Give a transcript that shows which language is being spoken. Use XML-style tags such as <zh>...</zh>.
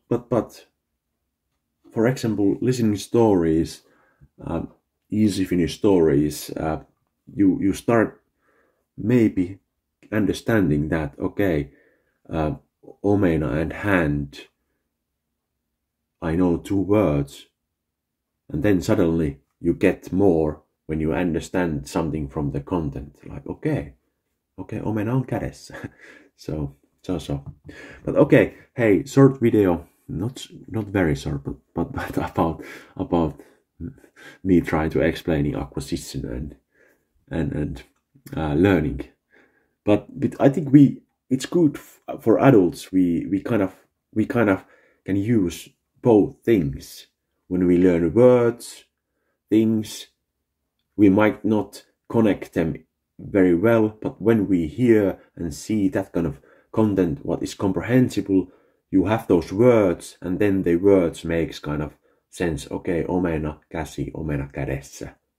<en>But, for example, listening stories, Easy Finnish stories, you start maybe understanding that, okay, omena and hand, I know two words. And then suddenly you get more when you understand something from the content.</en> <fi>Like, okay, omena on kädessä.</fi> <en>So. But okay, hey, short video, not very short, but about me trying to explain acquisition and learning. But I think it's good for adults. We kind of can use both things. When we learn words, things, we might not connect them very well, but when we hear and see that kind of content, what is comprehensible, you have those words, and then the words makes kind of sense.</en> <fi>Okay, omena käsi, omena kädessä.</fi>